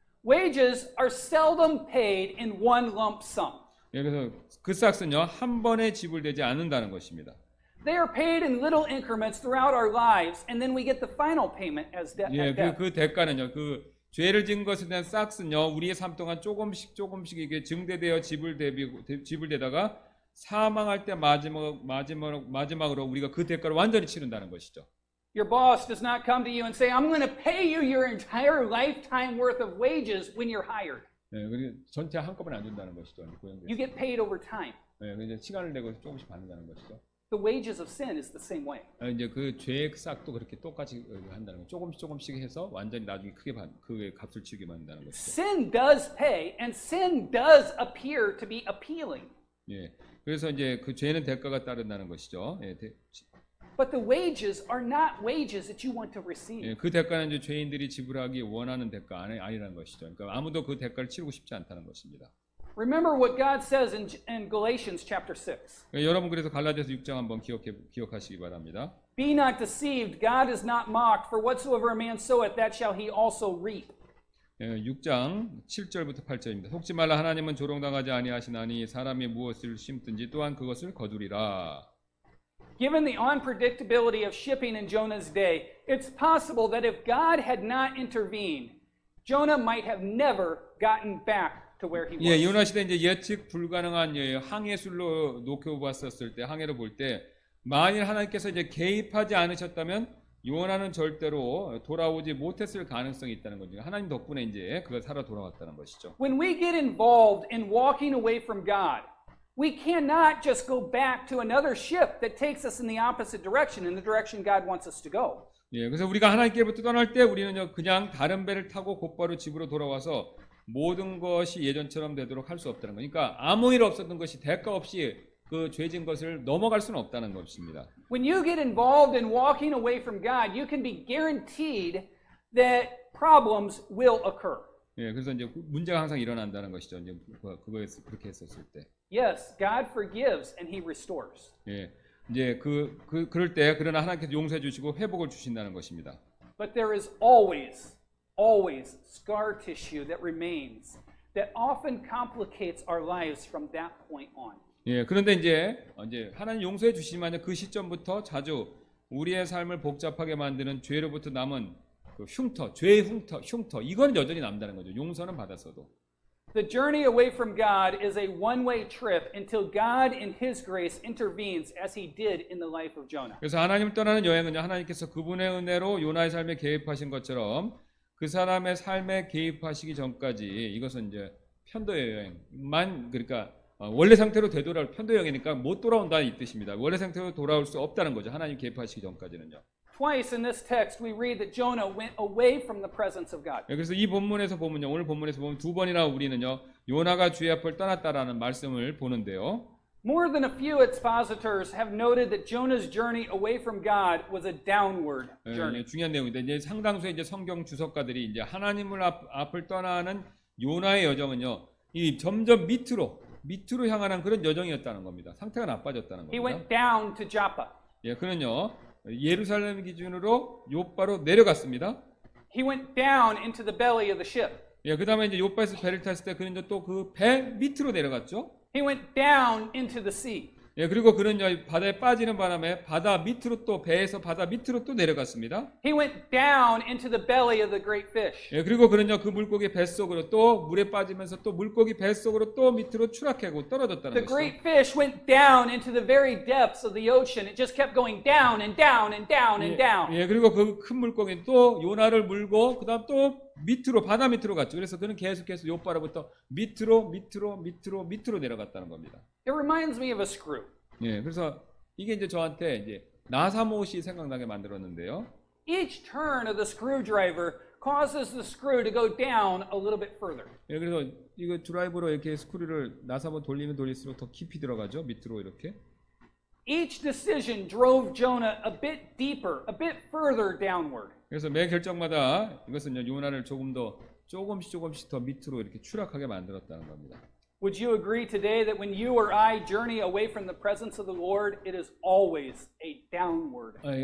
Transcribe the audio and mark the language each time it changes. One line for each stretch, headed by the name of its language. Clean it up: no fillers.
English: Wages are seldom paid in one lump sum.
Korean: 그래서 그 삯은요 한 번에 지불되지 않는다는 것입니다.
English: They are paid in little increments throughout our lives, and then we get the final payment as death.
Korean: 예, 그 대가는요, 그 죄를 지은 것에 대한 삯은요 우리의 삶 동안 조금씩 이게 증대되어 지불되다가 사망할 때 마지막으로 우리가 그 대가를 완전히 치른다는 것이죠.
English: Your boss does not come to you and say, "I'm going to pay you your entire lifetime worth of wages when you're hired."
Korean: 네, 우리 전체 한꺼번에 안 준다는 것이죠.
English: You get paid over time.
Korean: 네, 이제 시간을 내고 조금씩 받는다는 것이죠.
English: The wages of sin is the same way.
Korean: 네, 이제 그 죄의 싹도 그렇게 똑같이 한다는 거. 조금씩 해서 완전히 나중에 크게 받 그의 값을 치르게 받는다는 것이죠.
English: Sin does pay, and sin does appear to be appealing.
Korean: 예, 네, 그래서 이제 그 죄는 대가가 따른다는 것이죠. 예, 네,
English: But the wages are not wages that you want to receive.
Korean: 예, 그 대가는 이제 죄인들이 지불하기 원하는 대가 아니라는 것이죠. 그러니까 아무도 그 대가를 치르고 싶지 않다는 것입니다.
English: Remember what God says in Galatians chapter 6.
Korean: 예, 여러분 그래서 갈라디아서 6장 한번 기억하시기 바랍니다.
English: Be not deceived. God is not mocked. For whatsoever a man soweth, that shall he also reap.
Korean: 6장 7절부터 8절입니다. 속지 말라 하나님은 조롱당하지 아니하시나니 사람이 무엇을 심든지 또한 그것을 거두리라.
English: Given the unpredictability of shipping in Jonah's day, it's possible that if God had not intervened, Jonah might have never gotten back to where he was.
Korean: 예, 요나 시대 이제 예측 불가능한 항해술로 놓고 봤었을 때 항해로 볼 때 만일 하나님께서 이제 개입하지 않으셨다면 요나는 절대로 돌아오지 못했을 가능성이 있다는 거죠. 하나님 덕분에 이제 그걸 살아 돌아왔다는 것이죠.
English: When we get involved in walking away from God, we cannot just go back to another ship that takes us in the opposite direction, in the direction God wants us to go.
Korean: 예, 그래서 우리가 하나님께부터 떠날 때 우리는요 그냥 다른 배를 타고 곧바로 집으로 돌아와서 모든 것이 예전처럼 되도록 할 수 없다는 거니까 아무 일 없었던 것이 대가 없이 그 죄진 것을 넘어갈 수는 없다는 것입니다.
English: When you get involved in walking away from God, you can be guaranteed that problems will occur.
Korean: 예, 그래서 이제 문제가 항상 일어난다는 것이죠. 이제 그거에서 그렇게 했었을 때.
English: Yes, God forgives and He restores.
Korean: 예, 이제 그럴 때 그러나 하나님께서 용서해 주시고 회복을 주신다는 것입니다.
English: But there is always scar tissue that remains that often complicates our lives from that point on.
Korean: 예, 그런데 이제 하나님 용서해 주시지만 그 시점부터 자주 우리의 삶을 복잡하게 만드는 죄로부터 남은 그 흉터, 죄의 흉터, 흉터 이거는 여전히 남다는 거죠. 용서는 받았어도.
English: The journey away from God is a one-way trip until God in His grace intervenes as He did in the life of Jonah.
Korean: 그래서 하나님을 떠나는 여행은 하나님께서 그분의 은혜로 요나의 삶에 개입하신 것처럼 그 사람의 삶에 개입하시기 전까지 이것은 이제 편도 여행만 그러니까 원래 상태로 되돌아올 편도형이니까 못 돌아온다는 이 뜻입니다. 원래 상태로 돌아올 수 없다는 거죠. 하나님 개입하시기 전까지는요.
English: Twice in this text we read that Jonah went away from the presence of God.
Korean: 그래서 이 본문에서 보면요. 오늘 본문에서 보면 두 번이나 우리는요. 요나가 주의 앞을 떠났다라는 말씀을 보는데요.
English: More than a few expositors have noted that Jonah's journey away from God was a downward journey.
Korean: 예, 중요한 내용인데 이제 상당수의 이제 성경 주석가들이 이제 하나님을 앞을 떠나는 요나의 여정은요. 이 점점 밑으로 밑으로 향하는 그런 여정이었다는 겁니다. 상태가 나빠졌다는 겁니다.
English: He went down to Joppa.
Korean: 예, 그는요. 예루살렘 기준으로 요파로 내려갔습니다.
English: He went down into the belly of the ship.
Korean: 예, 그다음에 이제 요파에서 배를 탔을 때 그는 또 그 배 밑으로 내려갔죠.
English: He went down into the sea.
Korean: 예, 그리고 그는요. 바다에 빠지는 바람에 바다 밑으로 또 배에서 바다 밑으로 또 내려갔습니다.
English: He went down into the belly of the great fish.
Korean: 예, 그리고 그는요. 그 물고기 뱃속으로 또 물에 빠지면서 또 물고기 뱃속으로 또 밑으로 추락하고 떨어졌다는 거죠.
English: The great fish went down into the very depths of the ocean. It just kept going down and down and down and down.
Korean: 예, 그리고 그 큰 물고기는 또 요나를 물고 그다음 또 밑으로 바다 밑으로 갔죠. 그래서 그는 계속해서 요파로부터 밑으로 내려갔다는 겁니다.
English: It reminds me of a screw.
Korean: 예, 그래서 이게 이제 저한테 이제 나사못이 생각나게 만들었는데요.
English: Each turn of the screwdriver causes the screw to go down a little bit further.
Korean: 예, 그래서 이거 드라이버로 이렇게 스크류를 나사못 돌리면 돌릴수록 더 깊이 들어가죠. 밑으로 이렇게.
English: Each decision drove Jonah a bit deeper, a bit further downward.
Korean: 그래서 매 결정마다 이것은 요나를 조금씩 더 밑으로 이렇게 추락하게 만들었다는 겁니다.
English: Would you agree today that when you or I journey away from the presence of the Lord, it is always a downward journey?